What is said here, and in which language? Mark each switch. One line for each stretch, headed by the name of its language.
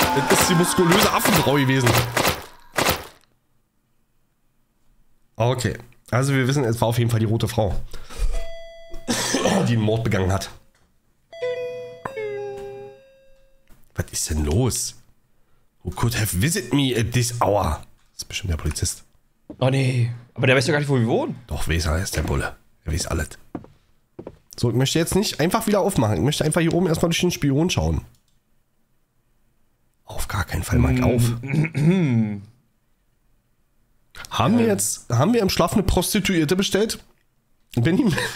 German: Das ist die muskulöse Affenfrau gewesen. Okay. Also wir wissen, es war auf jeden Fall die rote Frau, die den Mord begangen hat. Was ist denn los?
English: Who could have visited me at this hour?
German: Das ist bestimmt der Polizist. Oh nee. Aber der weiß doch gar nicht, wo wir wohnen. Doch, weiß er, ist der Bulle. Er weiß alles. So, ich möchte jetzt nicht einfach wieder aufmachen. Ich möchte einfach hier oben erstmal durch den Spion schauen. Auf gar keinen Fall, Mike, auf. Haben wir im Schlaf eine Prostituierte bestellt? Wenn ihm.